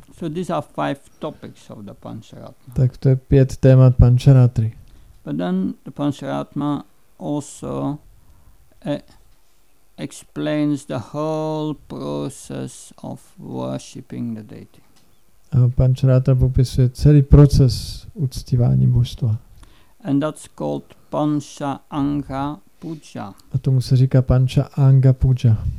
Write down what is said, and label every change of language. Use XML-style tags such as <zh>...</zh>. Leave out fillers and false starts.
<en>So these are five topics of the Pancharatma.</en> <cs>Tak to je pět témat Pancharatri.</cs> <en>But then the Pancharatma also explains the whole process of worshipping the deity.</en> <cs>A Pancharatra popisuje celý proces uctívání božstva.</cs> <en>And that's called Pancha Anga Puja.</en> <cs>A tomu se říká Pancha Anga Puja.</cs>